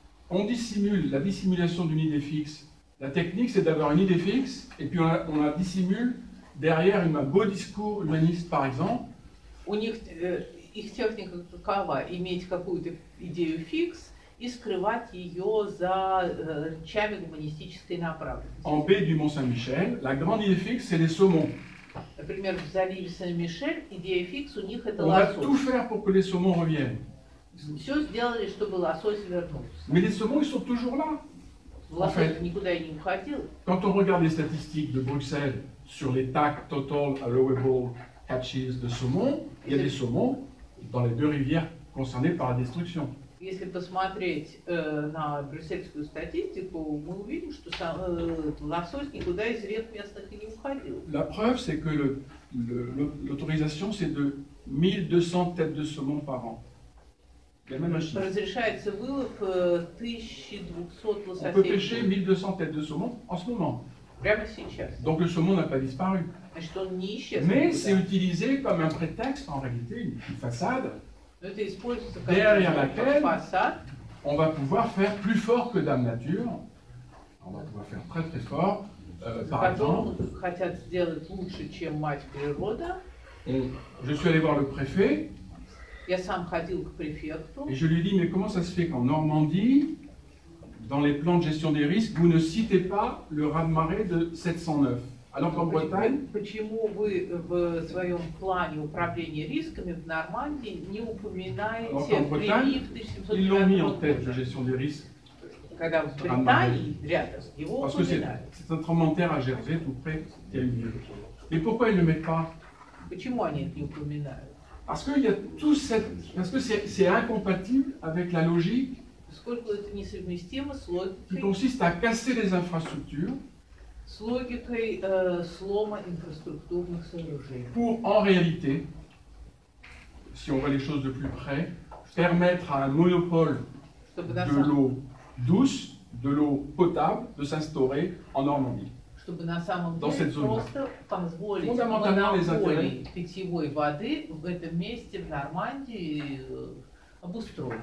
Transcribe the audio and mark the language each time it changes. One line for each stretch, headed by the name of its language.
French: On dissimule la dissimulation d'une idée fixe. La technique, c'est d'avoir une idée fixe et puis on la dissimule derrière un beau discours humaniste, par exemple.
Russian: У них их техника какова? Иметь какую-то идею фикс и скрывать ее за речами гуманистической направленности.
French: En baie du Mont-Saint-Michel, la grande idée fixe, c'est les saumons.
Russian: Например, в заливе Сен-Мишель идея фикс у них это
French: On
Russian: лосось.
French: On va tout faire pour que les saumons reviennent.
Russian: Все сделали, чтобы лосось вернулся.
French: Mais les saumons, ils sont toujours là.
Russian: Лосось
French: en fait,
Russian: никуда не уходил.
French: Quand on regarde les statistiques de Bruxelles sur les TAC total allowable catches de saumon, il y a des saumons dans les deux rivières concernées par la destruction.
Russian: если посмотреть на брюссельскую статистику, мы увидим, что сам, лосось никуда из рек местных и не уходил.
French: La preuve, c'est que l'autorisation, c'est de 1200 têtes de saumon par an.
Russian: Разрешается вылов 1200 лососей.
French: On peut pêcher 1200 têtes de saumon en ce moment.
Russian: Прямо сейчас.
French: Donc le saumon n'a pas disparu.
Russian: Значит, он не исчез.
French: Mais c'est utilisé comme un prétexte, en réalité, une façade.
Russian: Это используется как
French: derrière façade. On va pouvoir faire plus fort que dame nature. On va pouvoir faire très très fort. Par exemple,
Russian: хотят сделать лучше, чем мать природа.
French: Je suis allé voir le préfet.
Russian: Я сам ходил к префекту.
French: Et je lui ai dit, mais comment ça se fait qu'en Normandie, dans les plans de gestion des risques, vous ne citez pas le raz-de-marée de 709? Alors qu'en Bretagne...
Russian: Почему вы в своем плане управления рисками в Нормандии не упоминаете прилив 1709?
French: Ils l'ont mis en tête, la gestion des risques.
Russian: Когда в Британии, рядом, его упоминают.
French: Parce que c'est un tremblement de terre à Jersey, tout près, qui a eu lieu. Et pourquoi ils ne le mettent pas?
Russian: Почему они это не упоминают?
French: Parce que, parce que c'est incompatible avec la logique qui consiste à casser les infrastructures pour, en réalité, si on voit les choses de plus près, permettre à un monopole de l'eau douce, de l'eau potable, de s'instaurer en Normandie.
Russian: Чтобы на самом деле просто позволить монополии питьевой воды в этом месте, в Нормандии, обустроиться.